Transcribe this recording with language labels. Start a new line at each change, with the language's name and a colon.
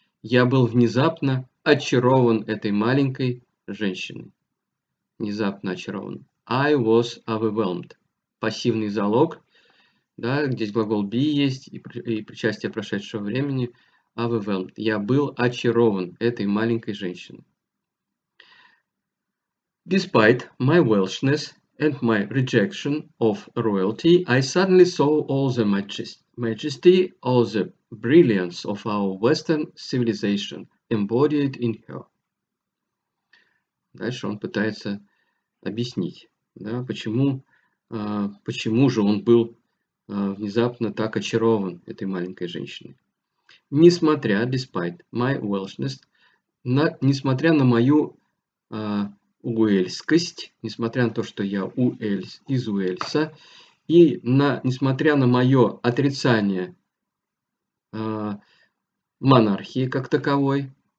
Russian: Я был внезапно очарован этой маленькой женщиной. Внезапно очарован.
English: I was overwhelmed.
Russian: Пассивный залог, да, здесь глагол be есть и причастие прошедшего времени.
English: Overwhelmed.
Russian: Я был очарован этой маленькой женщиной.
English: Despite my Welshness and my rejection of royalty, I suddenly saw all the majesty, all the brilliance of our Western civilization embodied in her.
Russian: Дальше он пытается объяснить, да, почему же он был внезапно так очарован этой маленькой женщиной. Несмотря,
English: despite my Welshness,
Russian: несмотря на мою уэльскость, несмотря на то, что я из Уэльса, и несмотря на мое отрицание монархии как таковой,